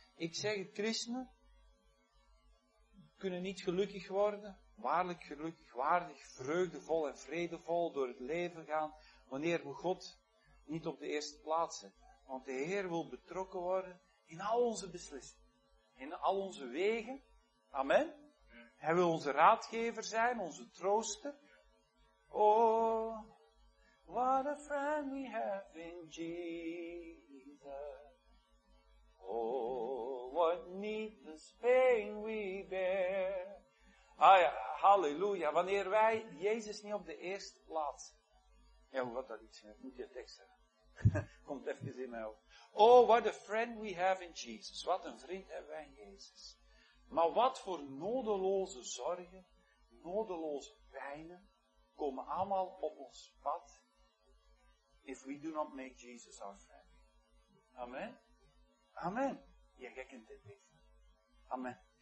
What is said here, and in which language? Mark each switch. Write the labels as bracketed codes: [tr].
[nl] Ik zeg, christenen kunnen niet gelukkig worden, waarlijk gelukkig, waardig, vreugdevol en vredevol door het leven gaan, wanneer we God niet op de eerste plaats zetten. Want de Heer wil betrokken worden in al onze beslissingen, in al onze wegen. Amen. Hij wil onze raadgever zijn, onze trooster. [en] Oh, what a friend we have in Jesus. Oh, what needless pain we bear. [nl] Ah ja, halleluja. Wanneer wij Jezus niet op de eerste plaats. Ja, hoe had dat iets? Ik moet je tekst zeggen. Komt even in mij op. [en] Oh, what a friend we have in Jesus. [nl] Wat een vriend hebben wij in Jezus. Maar wat voor nodeloze zorgen, nodeloze pijnen, komen allemaal op ons pad. [en] If we do not make Jesus our friend. Amen. Amen. [nl] Je gekkent dit niet. [en] Amen.